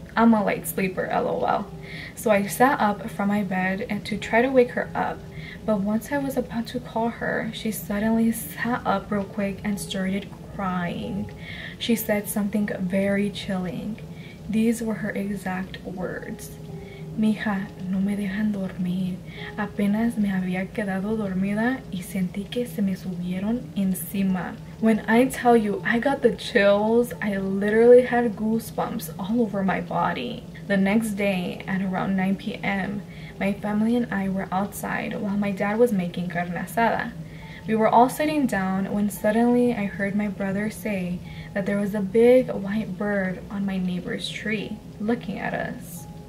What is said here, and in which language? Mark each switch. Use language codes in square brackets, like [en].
[en] I'm a light sleeper, lol. So I sat up from my bed and to try to wake her up. But once I was about to call her, she suddenly sat up real quick and started crying. She said something very chilling. These were her exact words. [es] Mija, no me dejan dormir. Apenas me había quedado dormida y sentí que se me subieron encima. [en] When I tell you I got the chills, I literally had goosebumps all over my body. The next day, at around 9 p.m., my family and I were outside while my dad was making carne asada. We were all sitting down when suddenly I heard my brother say that there was a big white bird on my neighbor's tree looking at us.